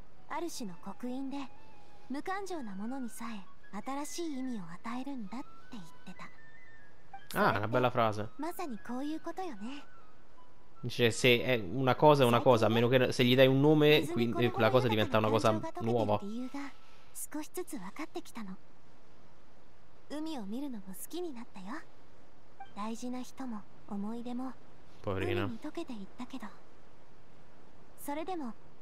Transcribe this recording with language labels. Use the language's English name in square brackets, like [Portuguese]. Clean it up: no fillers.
[Japanese] ある種の刻印で無感情なものにさえ新しい意味を与えるんだって言ってた。 [Italian] Ah, una bella frase. [Japanese] まさにこういうことよね。 [Italian] Cioè, se è una cosa, a meno che se gli dai un nome, quindi quella cosa diventa una cosa nuova. [Japanese] 少しずつ分かってきたの。海を見るのも好きになったよ。大事な人も思い出も海に溶けていったけど、それでも。